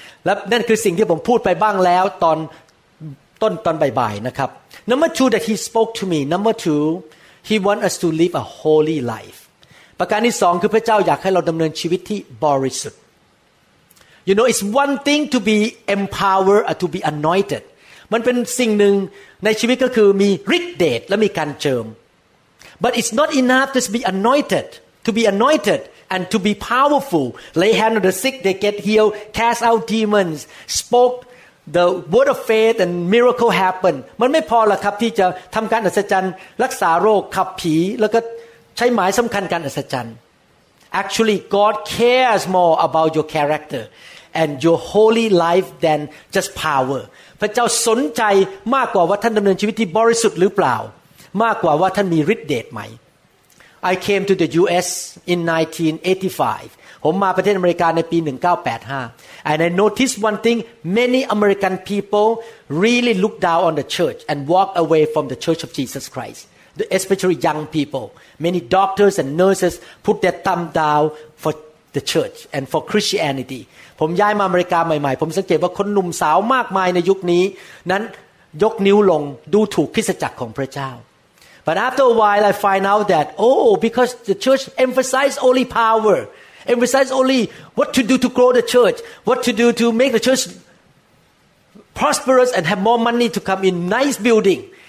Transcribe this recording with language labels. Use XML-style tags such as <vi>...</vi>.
<th>และนั่นคือสิ่งที่ผมพูดไปบ้างแล้วตอนบ่ายๆนะครับ</th> <en>Number two that he spoke to me Number two he want us to live a holy life</en> <th>ประการที่สองคือพระเจ้าอยากให้เราดำเนินชีวิตที่บริสุทธิ์</th> <en>You know it's one thing to be empowered or to be anointed</en> <th>มันเป็นสิ่งหนึ่งในชีวิตก็คือมีฤทธิ์เดชและมีการเจิม</th> <en>But it's not enough to be anointed to be anointed and to be powerful. Lay hand on the sick, they get healed, cast out demons, spoke the word of faith and miracle happened.</en> <th>มันไม่พอหรอกครับที่จะทำการอัศจรรย์รักษาโรคขับผีแล้วก็ใช้หมายสำคัญการอัศจรรย์</th> <en>Actually, God cares more about your character and your holy life than just power.</en> <th>พระเจ้าสนใจมากกว่าว่าท่านดำเนินชีวิตที่บริสุทธิ์หรือเปล่ามากกว่าว่าท่านมีฤทธิ์เดชไหม</th> <en>I came to the U.S. in 1985.</en> <th>ผมมาประเทศอเมริกาในปี1985</th> <en>and I noticed one thing many American people really look down on the church and walk away from the church of Jesus Christ especially young people many doctors and nurses put their thumb down for the church and for Christianity</en> <th>ผมย้ายมาอเมริกาใหม่ๆผมสังเกตว่าคนหนุ่มสาวมากมายในยุคนี้นั้นยกนิ้วลงดูถูกคริสตจักรของพระเจ้า</th> <en>But after a while, I find out that, oh, because the church emphasized only power, emphasized only what to do to grow the church, what to do to make the church prosperous and have more money to come in nice building.</en>